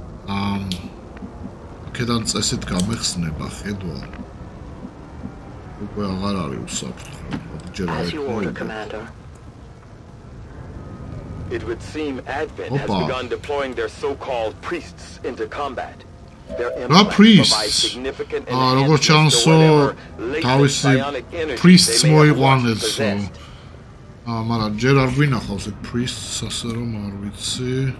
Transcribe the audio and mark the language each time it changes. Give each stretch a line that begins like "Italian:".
Georgian: აქედან წესით გამეხსნება ხედვა. უკვე აღარ არის უსაფრთხო. ჯერ არ იქნება.
English: It would seem Advent has begun deploying their so-called priests into combat. Their priests
Georgian: როგორ ჩანს თავისი priests მოიყვანეს. მარა ჯერ არ ვინახავს ეს priests ასე რომ არ ვიცი.